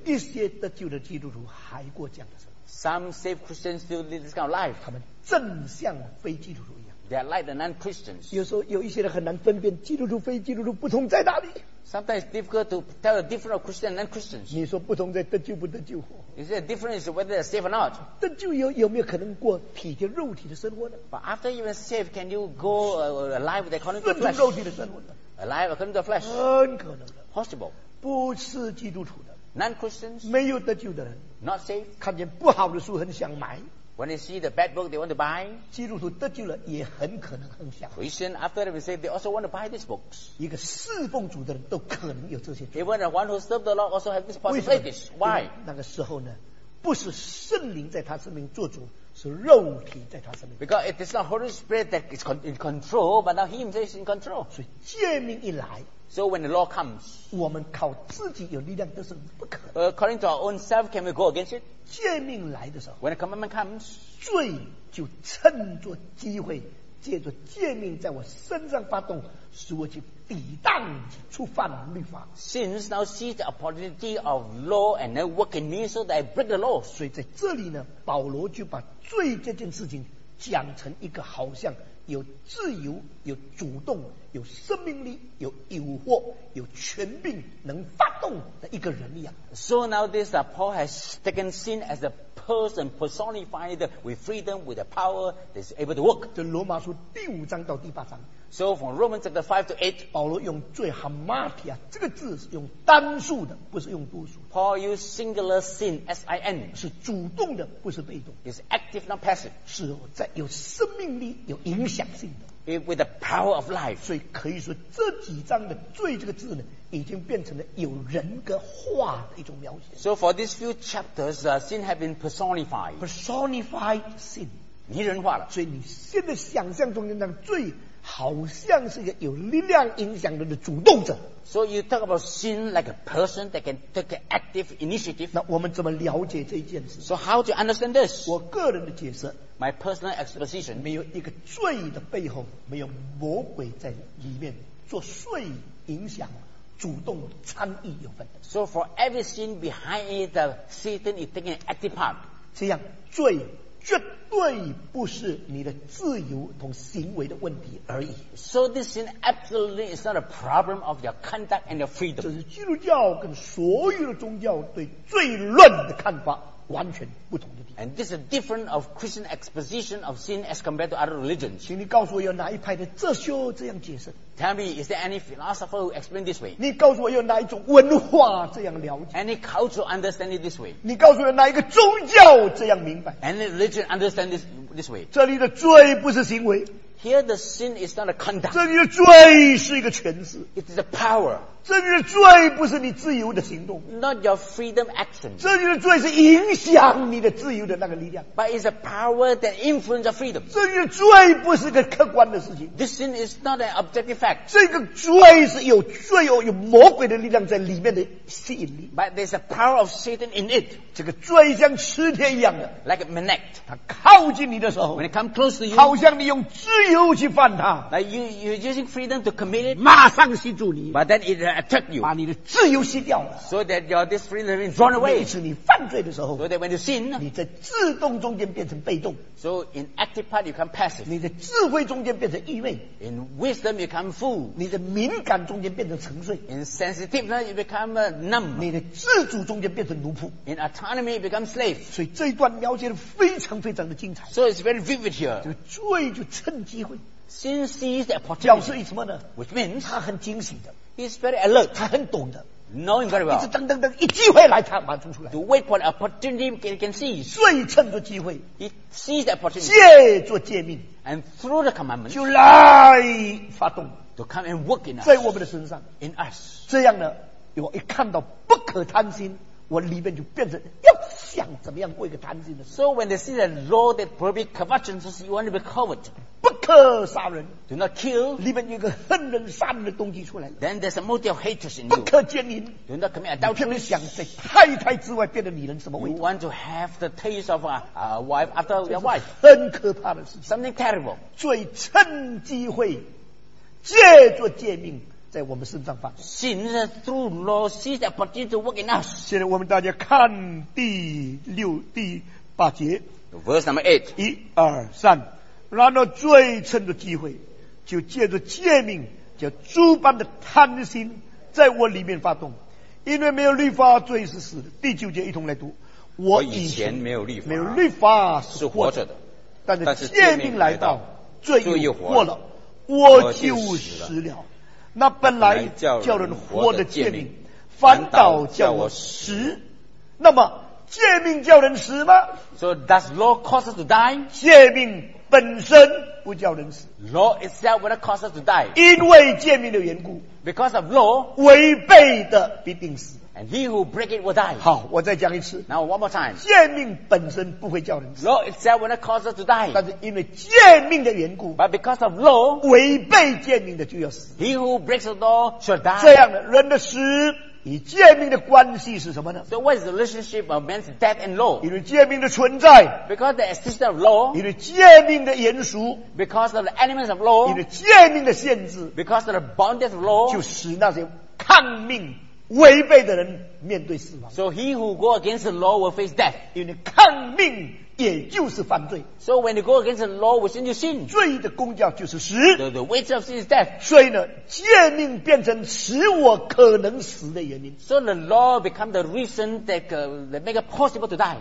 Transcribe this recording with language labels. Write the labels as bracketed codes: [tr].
[zh] 有一些得救的基督徒还过这样的生活。 [en] Some saved Christians still live this kind of life. [zh] 他们正像非基督徒一样。 [en] They are like the non-Christians. [zh] 有时候有一些人很难分辨基督徒非基督徒不同在哪里。 [en] Sometimes it's difficult to tell the difference of Christian and non-Christians. [zh] 你说不同在得救不得救？ [en] Is there a difference whether they're saved or not? [zh] 得救有没有可能过体贴肉体的生活呢？ [en] But after you are saved, can you go alive with according to flesh? [zh] 顺从肉体的生活呢？ [en] Alive according to flesh? [zh] 很可能的。 [en] Possible. [zh] 不是基督徒的。 [en] Non-Christians. [zh] 没有得救的人。 [en] Not saved. [zh] 看见不好的书很想买。 [en] When they see the bad book, they want to buy. [zh] 基督徒得救了也很可能很想。 [en] Christian, after they say they also want to buy these books. [zh] 一个侍奉主的人都可能有这些。 [en] Even one who served the Lord also have this possibility. Why? [zh] 那个时候呢，不是圣灵在他生命做主，是肉体在他生命。 [en] Because it is not Holy Spirit that is in control, but now He Himself is in control. [zh] 所以诫命一来。 [en] So when the law comes, [zh] 我们靠自己有力量都是不可能。 [en] According to our own self, can we go against it? [zh] 诫命来的时候， [en] when the commandment comes, [zh] 罪就趁着机会，借着诫命在我身上发动，使我去抵挡、触犯律法。 [en] Sins now seize the opportunity of law and then work in me so that I break the law. [zh] 所以在这里呢，保罗就把罪这件事情讲成一个好像。有自由，有主动，有生命力，有诱惑，有权柄，能发动的一个人一样。 [en] So now this Paul has taken sin as a person personified with freedom, with the power that is able to work. [zh] 这罗马书第五章到第八章。 [en] So from Romans chapter 5 to 8, [zh] 保罗用罪 hamartia 这个字是用单数的，不是用多数。 [en] Paul used singular sin, S-I-N, [zh] 是主动的，不是被动。 [en] Is active, not passive. [zh] 是在有生命力、有影响性的。 [en] With the power of life. [zh] 所以可以说这几章的罪这个字呢，已经变成了有人格化的一种描写。 [en] So for these few chapters, sin has been personified. Personified sin. [zh] 拟人化了。所以你现在想象中的那罪。好像是一个有力量影响的主动者。 [en] So you talk about sin like a person that can take an active initiative. [zh] 那我们怎么了解这件事？ [en] So how to understand this? [zh] 我个人的解释。 [en] My personal exposition. [zh] 没有一个罪的背后，没有魔鬼在里面作祟影响。主动参与有份。 [en] So for every sin behind it, Satan is taking an active part. [zh] 这样罪。绝对不是你的自由同行为的问题而已。 [en] So this sin absolutely is not a problem of your conduct and your freedom. [zh] 这是基督教跟所有的宗教对罪论的看法完全不同的地方。 [en] And this is different of Christian exposition of sin as compared to other religions. [zh] 请你告诉我有哪一派的哲学这样解释。 [en] Tell me, is there any philosopher who explained this way? [zh] 你告诉我有哪一种文化这样了解？ [en] Any culture understand it this way? [zh] 你告诉我有哪一个宗教这样明白？ [en] Any religion understand this way? [zh] 这里的罪不是行为。 [en] Here the sin is not a conduct. [zh] 这里的罪是一个权势。 [en] It is a power. [zh] 这里的罪不是你自由的行动。 [en] Not your freedom action. [zh] 这里的罪是影响你的自由的那个力量。 [en] But it's a power that influences freedom. [zh] 这里的罪不是个客观的事情。 [en] This sin is not an objective fact. [zh] 这个罪是有罪恶、有魔鬼的力量在里面的吸引力。 [en] But there's a power of Satan in it. [zh] 这个罪像磁铁一样的。 [en] Like a magnet. [zh] 它靠近你的时候。 [en] When it comes close to you. [zh] 好像你用自由又去犯他。 [en] Now you're using freedom to commit it. [zh] 马上吸住你。 [en] But then it attack you. [zh] 把你的自由吸掉了。 [en] So that your this freedom is drawn away. [zh] 每次你犯罪的时候。 [en] So that when you sin, [zh] 你在自动中间变成被动。 [en] So in active part you become passive. [zh] 你的智慧中间变成愚昧。 [en] In wisdom you become fool. [zh] 你的敏感中间变成沉睡。 [en] In sensitiveness you become numb. [zh] 你的自主中间变成奴仆。 [en] In autonomy you become slave. [zh] 所以这一段描写的非常非常的精彩。 [en] So it's very vivid here. [zh] 这个罪就趁机。 [en] Sin sees the opportunity. [zh] 表示什么呢？ [en] Which means [zh] 他很惊喜的。 [en] He's very alert. [zh] 他很懂的。 [en] Knowing very well. [zh] 一直等等等，一机会来，他马上出来。 [en] To wait for the opportunity, he can see. [zh] 所以趁着机会。 [en] He sees the opportunity. [zh] 借着诫命。 [en] And through the commandment. [zh] 就来发动。 [en] To come and work in us. [zh] 在我们的身上。 [en] In us. [zh] 这样呢，我一看到不可贪心。我里面就变成要想怎么样过一个贪心的。 [en] So when they see the law that prohibits covetousness, you want to be covet. [zh] 不可杀人。 [en] Do not kill. [zh] 里面有一个恨人杀人的动机出来了。 [en] Then there's a motive of hatred in you. [zh] 不可奸淫。 [en] Do not commit adultery. [zh] 你想在太太之外变得女人什么味道？ [en] You want to have the taste of a wife after your wife. [zh] 很可怕的事情。 [en] Something terrible. [zh] 最趁机会，借着诫命。在我们身上发生。 [en] Sin through law sees the opportunity to work in us. [zh] 现在我们大家看第八节。 [en] Verse number 8. [zh] 一二三，然后罪趁着机会就借着诫命叫诸般的贪心在我里面发动，因为没有律法罪是死的。第九节一同来读，我以前没有律法，没有律法是活着的，但是诫命来到罪又活了，我就死了。那本来叫人活的诫命反倒叫我死，那么诫命叫人死吗？ [en] So does law cause us to die? [zh] 诫命本身不叫人死。 [en] Law itself will cause us to die. [zh] 因为诫命的缘故， [en] Because of law, [zh] 违背的必定死。 [en] And he who break it will die. [zh] 好，我再讲一次。 [en] Now one more time. [zh] 诫命本身不会叫人死。 [en] Law itself will cause us to die. [zh] 但是因为诫命的缘故， [en] But because of law, [zh] 违背诫命的就要死。 [en] He who breaks the law shall die. [zh] 这样的人的死与诫命的关系是什么呢？ [en] So what is the relationship of man's death and law? [zh] 因为诫命的存在， [en] Because the existence of law, [zh] 因为诫命的严肃， [en] Because of the elements of law, [zh] 因为诫命的限制， [en] Because of the boundaries of law, [zh] 就使那些抗命违背的人面对死亡。 [en] So he who go against the law will face death. [zh] 因为抗命也就是犯罪。 [en] So when you go against the law, which is your sin, [zh] 罪的工价就是死。 [en] The wage of sin is death. [zh] 所以呢，诫命变成使我可能死的原因。 [en] So the law becomes the reason that make it possible to die.